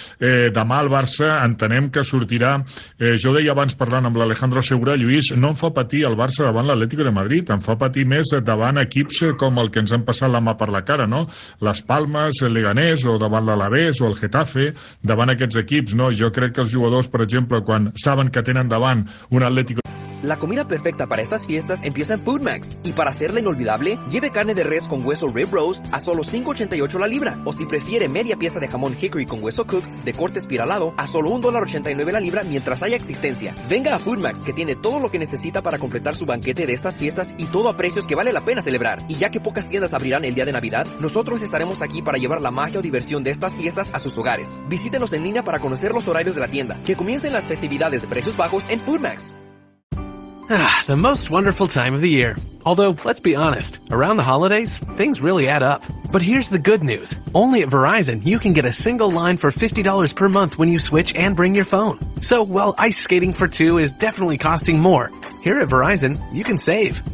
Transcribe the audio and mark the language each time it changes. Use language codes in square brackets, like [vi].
[ca] Demà el Barça entenem que sortirà, jo ho deia abans parlant amb l'Alejandro Segura, Lluís, no em fa patir el Barça davant l'Atlético de Madrid, em fa patir més davant equips com el que ens han passat la mà per la cara, no? Les Palmes, el Leganés, o davant l'Alavés, o el Getafe, davant aquests equips, no? Jo crec que els jugadors, per exemple, quan saben que tenen davant un Atlético... [es] La comida perfecta para estas fiestas empieza en Foodmax. Y para hacerla inolvidable, lleve carne de res con hueso Rib Roast a solo $5.88 la libra. O si prefiere, media pieza de jamón Hickory con hueso Cooks de corte espiralado a solo $1.89 la libra mientras haya existencia. Venga a Foodmax, que tiene todo lo que necesita para completar su banquete de estas fiestas y todo a precios que vale la pena celebrar. Y ya que pocas tiendas abrirán el día de Navidad, nosotros estaremos aquí para llevar la magia o diversión de estas fiestas a sus hogares. Visítenos en línea para conocer los horarios de la tienda, que comiencen las festividades de precios bajos en Foodmax. [en] Ah, the most wonderful time of the year. Although, let's be honest, around the holidays, things really add up. But here's the good news. Only at Verizon, you can get a single line for $50 per month when you switch and bring your phone. So, while ice skating for two is definitely costing more, here at Verizon, you can save.